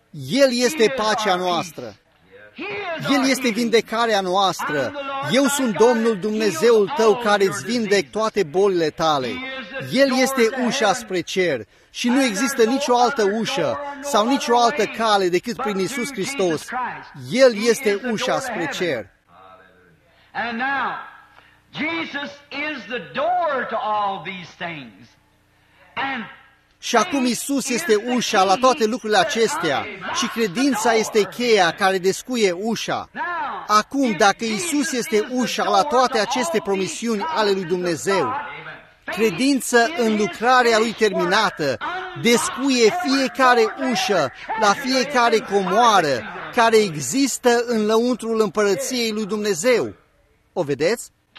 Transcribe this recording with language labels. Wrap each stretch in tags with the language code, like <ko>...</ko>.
<ro>El este pacea noastră. El este vindecarea noastră. Eu sunt Domnul Dumnezeul tău care îți vindec toate bolile tale. El este ușa spre cer și nu există nicio altă ușă sau nicio altă cale decât prin Iisus Hristos. El este ușa spre cer.</ro> <en>And now, Jesus is the door to all these things. And</en> <ro>și acum Iisus este ușa la toate lucrurile acestea și credința este cheia care descuie ușa. Acum, dacă Iisus este ușa la toate aceste promisiuni ale lui Dumnezeu, credință în lucrarea lui terminată descuie fiecare ușă la fiecare comoară care există în lăuntrul împărăției lui Dumnezeu. O vedeți?</ro>